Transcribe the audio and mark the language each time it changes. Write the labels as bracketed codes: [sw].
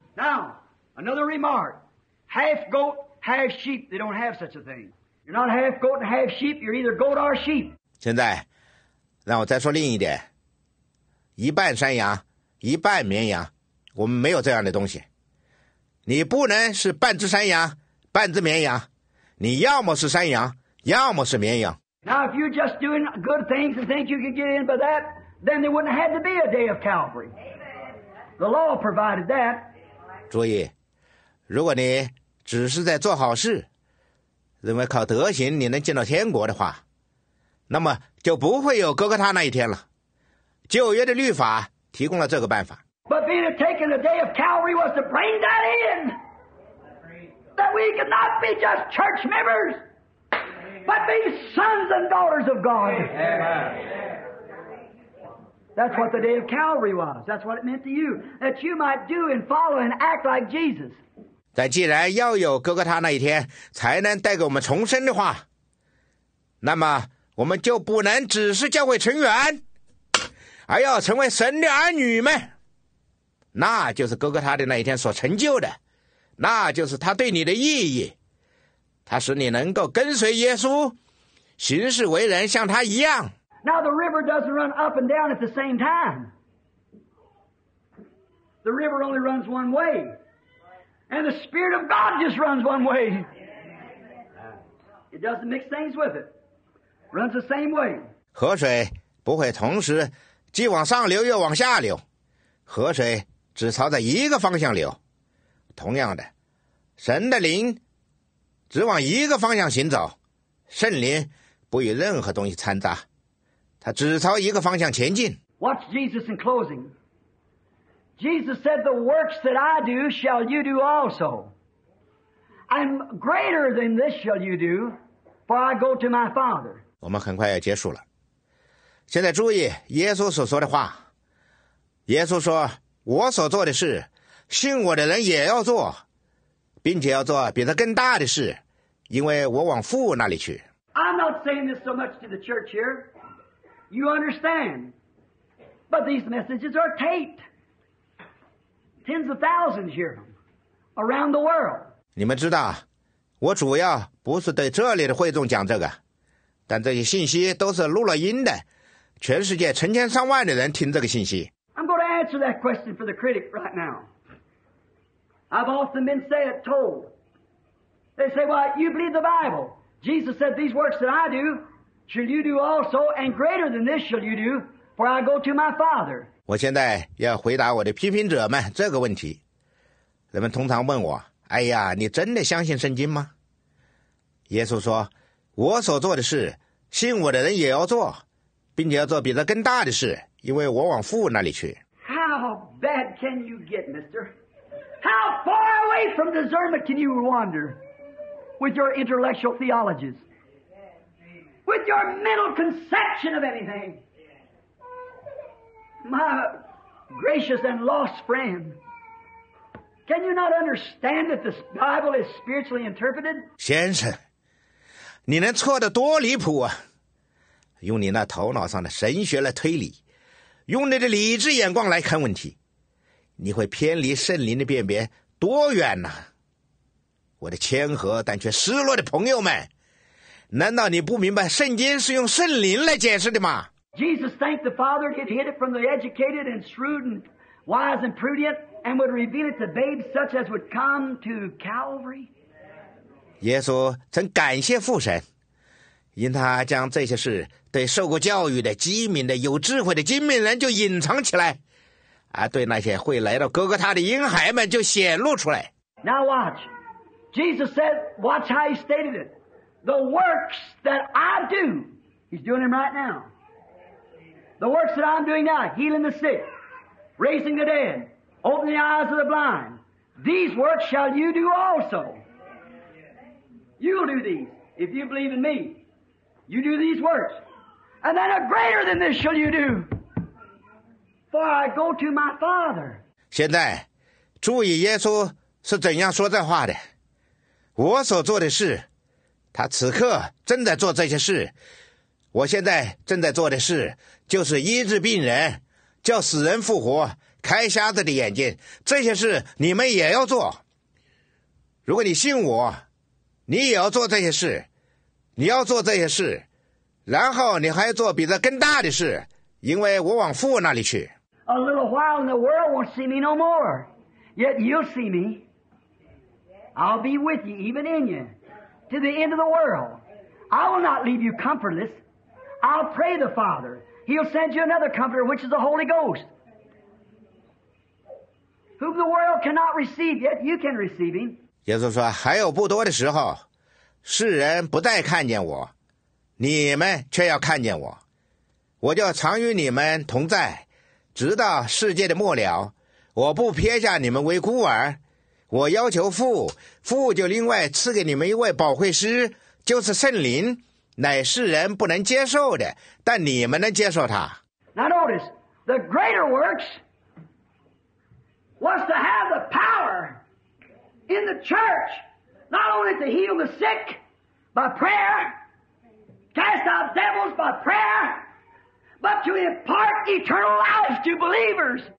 [en] Now, another remark. Half goat, half sheep, they don't have such a thing. You're not half goat and half sheep, you're either goat or sheep. [zh] 现在让我再说另一点，一半山羊一半绵羊，我们没有这样的东西。你不能是半只山羊半只绵羊，你要么是山羊要么是绵羊。 [en] Now if you're just doing good things and think you can get in by that, then there wouldn't have to be a day of Calvary. The law provided that. [zh] 注意，如果你只是在做好事，认为靠德行你能进到天国的话，那么就不会有哥哥他那一天了。旧约的律法提供了这个办法。 [en] But being taken the day of Calvary was to bring that in, that we could not be just church members, but be sons and daughters of God. That's what the day of Calvary was. That's what it meant to you, that you might do and follow and act like Jesus. [zh] 但既然要有哥哥他那一天才能带给我们重生的话，那么我们就不能只是教会成员，还要成为神的儿女们，那就是哥哥他的那一天所成就的，那就是他对你的意义，他使你能够跟随耶稣，行事为人像他一样。 [en] Now the river doesn't run up and down at the same time. The river only runs one way, and the Spirit of God just runs one way. It doesn't mix things with it. Runs the same way. [zh] 河水不会同时既往上流又往下流，河水只朝着一个方向流。同样的，神的灵只往一个方向行走，圣灵不与任何东西掺杂，他只朝一个方向前进。 [en] Watch Jesus in closing. Jesus said, "The works that I do shall you do also, and greater than this shall you do, for I go to my Father." [zh] 我们很快要结束了。现在注意耶稣所说的话，耶稣说，我所做的事信我的人也要做，并且要做比他更大的事，因为我往父那里去。 [en] I'm not saying this so much to the church here, you understand, but these messages are taped, tens of thousands hear them around the world. [zh] 你们知道我主要不是对这里的会众讲这个，但这些信息都是录了音的，全世界成千上万的人听这个信息。 [en] I'm going to answer that question for the critic right now. I've often been said, told. They say, well, you believe the Bible. Jesus said, these works that I do, shall you do also, and greater than this shall you do, for I go to my Father. [zh] 我现在要回答我的批评者们这个问题。人们通常问我，哎呀，你真的相信圣经吗？耶稣说，我所做的事，信我的人也要做，并且要做比这更大的事，因为我往父那里去。 [en] How How bad can you get, mister? How far away from discernment can you wander with your intellectual theologies? With your mental conception of anything? My gracious and lost friend, can you not understand that the Bible is spiritually interpreted? [zh] 先生，你能错得多离谱啊！用你那头脑上的神学来推理，用你的理智眼光来看问题，你会偏离圣灵的辨别多远呢？我的谦和但却失落的朋友们，难道你不明白圣经是用圣灵来解释的吗？ [en] Jesus thanked the Father that he hid it from the educated and shrewd and wise and prudent and would reveal it to babes such as would come to Calvary. [zh] 耶稣曾感谢父神，因他将这些事对受过教育的机敏的有智慧的精明人就隐藏起来，而对那些会来到哥哥他的婴孩们就显露出来。 [en] Now watch. Jesus said, watch how he stated it. The works that I do, he's doing them right now. The works that I'm doing now, healing the sick, raising the dead, opening the eyes of the blind, these works shall you do also. You'll do these if you believe in me. You do these works. And then a greater than this shall you do. For I go to my Father. [zh] 现在注意耶稣是怎样说这话的。我所做的事，他此刻正在做这些事。我现在正在做的事，就是医治病人，叫死人复活，开瞎子的眼睛，这些事你们也要做。如果你信我，你也要做这些事。你要做这些事，然后你还做比这更大的事，因为我往父那里去。 [en] A little while and the world won't see me no more, yet you'll see me. I'll be with you, even in you, to the end of the world. I will not leave you comfortless. I'll pray the Father. He'll send you another comforter, which is the Holy Ghost, whom the world cannot receive, yet you can receive him. [zh] 耶稣说，还有不多的时候，世人不再看见我，你们却要看见我。我就常与你们同在，直到世界的末了。我不撇下你们为孤儿，我要求父，父就另外赐给你们一位保惠师，就是圣灵，乃世人不能接受的，但你们能接受他。 [en] Now notice, the greater works was to have the power in the church, not only to heal the sick by prayer, cast out devils by prayer, but to impart eternal life to believers.